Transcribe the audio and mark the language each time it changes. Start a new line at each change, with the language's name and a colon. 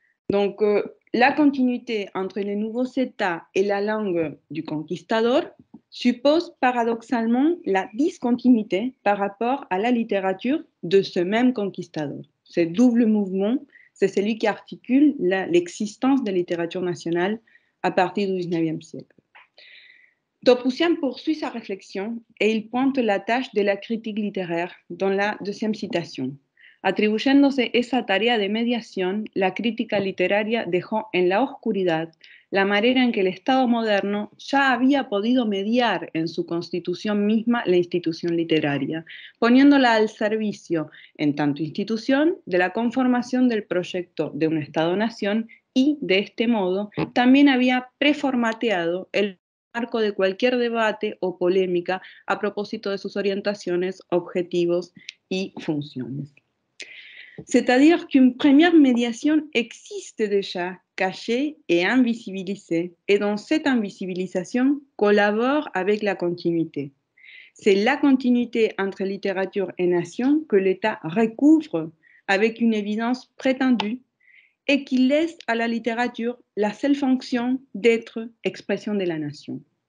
French: Donc, la continuité entre les nouveaux États et la langue du conquistador suppose paradoxalement la discontinuité par rapport à la littérature de ce même conquistador. Ce double mouvement, c'est celui qui articule l'existence de la littérature nationale à partir du 19e siècle. Topurcien poursuit sa réflexion et il pointe la tâche de la critique littéraire dans la deuxième citation.
Spanish: Attribuyéndose esa tarea de mediación, la crítica literaria dejó en la oscuridad la manera en que el Estado moderno ya había podido mediar en su constitución misma la institución literaria, poniéndola al servicio, en tanto institución, de la conformación del proyecto de un Estado-nación y de este modo también había preformateado el marco de cualquier debate o polémica a propósito de sus orientaciones, objetivos y funciones.
French: C'est-à-dire qu'une première médiation existe déjà, cachée et invisibilisée, et dans cette invisibilisation collabore avec la continuité. C'est la continuité entre littérature et nation que l'État recouvre avec une évidence prétendue et qui laisse à la littérature la seule fonction d'être expression de la nation.